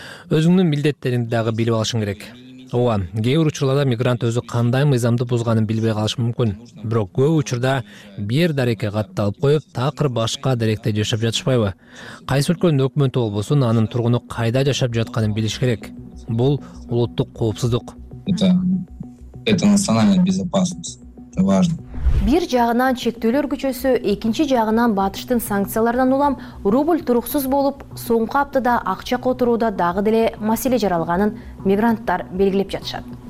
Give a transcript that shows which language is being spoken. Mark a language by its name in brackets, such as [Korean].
[Kyrgyz] Өзүңдүн милдеттериңди дагы билип алышың керек. Ооба, кээ бир учурларда мигрант өзү кандай мыйзамды бузганын билбей калышы мүмкүн. Бирок көп учурда бир дарекке катталып коюп, такыр башка деректе жашап жатышпайбы? Кайсы өлкөнүн өкмөтү болбосун, анын тургуну кайда жашап жатканын билиш керек. Бул улуттук коопсуздук. [Russian] Это национальная безопасность. Это важно. [Kyrgyz] Бир жагынан чектөөлөр күчөсү, экинчи жагынан батыштын санкциялардан улам рубль туруксуз болуп, соңку аптада акча которууда дагы деле маселе жаралганын мигранттар белгилеп жатышат.